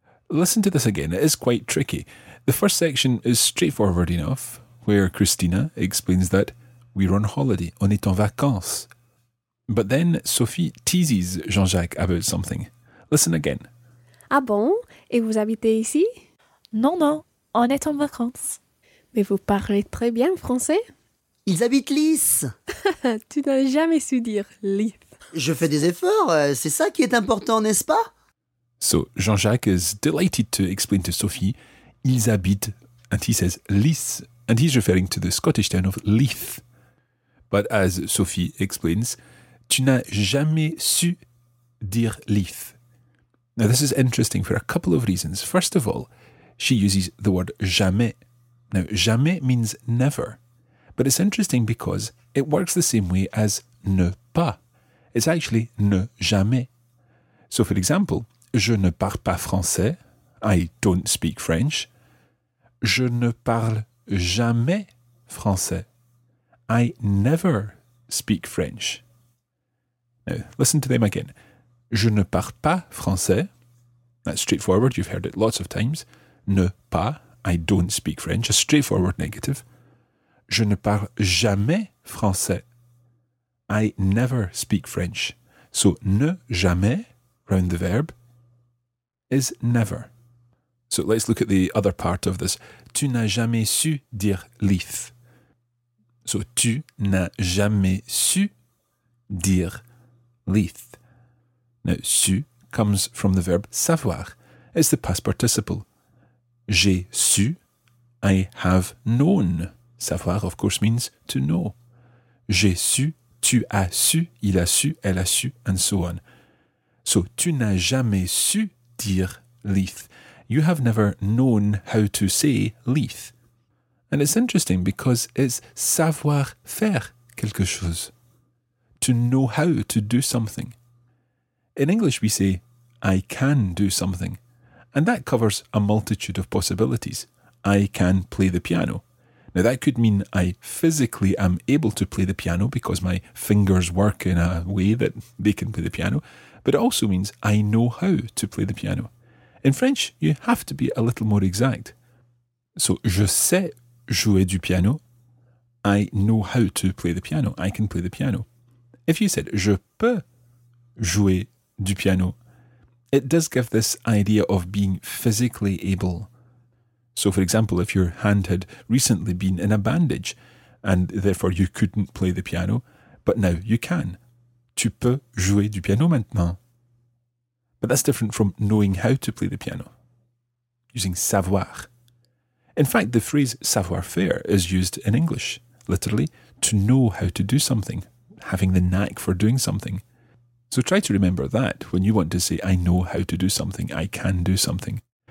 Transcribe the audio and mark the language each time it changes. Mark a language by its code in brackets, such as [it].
[en] Listen to this again. It is quite tricky. The first section is straightforward enough, where Christina explains that we're on holiday, [fr] on est en vacances. [en] But then Sophie teases Jean-Jacques about something. Listen again. [fr] Ah bon? Et vous habitez ici? Non, non, on est en vacances. Mais vous parlez très bien français? Ils habitent Lys. Tu n'as jamais su dire Lys. Je fais des efforts, c'est ça qui est important, n'est-ce pas? [en] So Jean-Jacques is delighted to explain to Sophie, [fr] ils habitent, [en] and he says Lys, and he's referring to the Scottish town of Leith. But as Sophie explains, [fr] tu n'as jamais su dire Leith. [en] Now this is interesting for a couple of reasons. First of all, she uses the word jamais. Now jamais means never, but it's interesting because it works the same way as ne pas. It's actually ne jamais. So for example, [fr] je ne parle pas français, [en] I don't speak French. [fr] Je ne parle jamais français. [en] I never speak French. Now, listen to them again. [fr] Je ne parle pas français. [en] That's straightforward. You've heard it lots of times. Ne pas. I don't speak French. A straightforward negative. [fr] Je ne parle jamais français. [en] I never speak French. So, ne jamais, round the verb, is never. So, let's look at the other part of this. [fr] Tu n'as jamais su dire leaf. [en] So, [fr] tu n'as jamais su dire leaf. [en] Now, su comes from the verb savoir. It's the past participle. [fr] J'ai su, [en] I have known. [fr] Savoir, [en] of course, means to know. [fr] J'ai su, tu as su, il a su, elle a su, [en] and so on. So, [fr] tu n'as jamais su dire leaf. [en] You have never known how to say leaf. And it's interesting because it's [fr] savoir faire quelque chose. [en] To know how to do something. In English, we say, I can do something. And that covers a multitude of possibilities. I can play the piano. Now, that could mean I physically am able to play the piano because my fingers work in a way that they can play the piano. But it also means I know how to play the piano. In French, you have to be a little more exact. [fr] So, je sais jouer du piano. [en] I know how to play the piano. I can play the piano. If you said, [fr] je peux jouer du piano, [en] it does give this idea of being physically able. So, for example, if your hand had recently been in a bandage and therefore you couldn't play the piano, but now you can. [fr] Tu peux jouer du piano maintenant. [en] But that's different from knowing how to play the piano, using savoir. In fact, the phrase savoir-faire is used in English, literally, to know how to do something, having the knack for doing something. So try to remember that when you want to say, I know how to do something, I can do something.